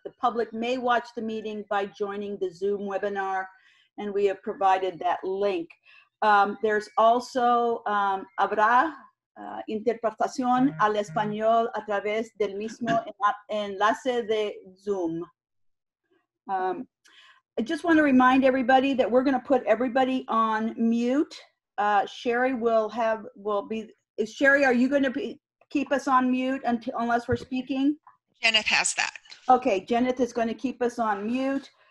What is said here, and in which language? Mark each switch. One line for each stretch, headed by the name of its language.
English: The public may watch the meeting by joining the Zoom webinar, and we have provided that link. There's also
Spanish: habrá interpretación al español a través del mismo enlace de Zoom.
English: I just want to remind everybody that we're going to put everybody on mute. Sherry, are you going to keep us on mute unless we're speaking? Jenneth has that. Okay, Jenneth is going to keep us on mute.